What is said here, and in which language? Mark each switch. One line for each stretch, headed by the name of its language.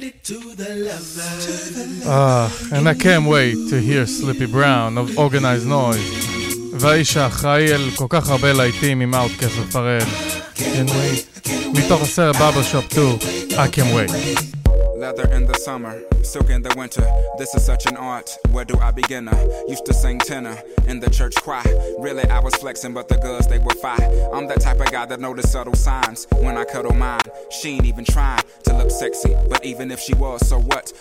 English: And I can't wait to hear Sleepy Brown of Organized Noise.
Hebrew: והאיש האחראי אל כל כך הרבה להיטים עם אאוטקאסט ופרד.
English: Can't wait.
Hebrew: מתוך הסרט Barbershop 2, I can't wait.
English: Leather in the summer, silk in the winter. This is such an art, where do I begin? Used to sing tenor in the church choir. Really, I was flexing, but the girls, they were fine. I'm that type of guy that noticed subtle signs when I cuddle mine. She ain't even trying to look sexy, but even if she was, so what?